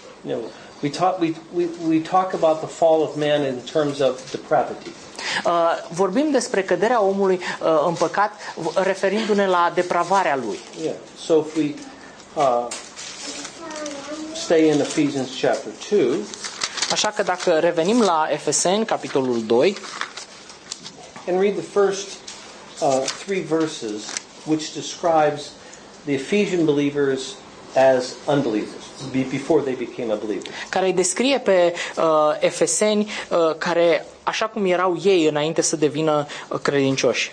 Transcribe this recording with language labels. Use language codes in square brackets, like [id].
[en] You know, we talk about the fall of man in terms of depravity. [ro] Vorbim despre căderea omului în păcat referindu-ne la depravarea lui. [en] Yeah. So if we stay in Ephesians chapter 2. [ro] Așa că dacă revenim la Efeseni, capitolul 2, [en] and read the first three verses, which describes the Ephesian believers as unbelievers before they became a believer. [ro] Care descrie pe Efeseni care așa cum erau ei înainte să devină credincioși.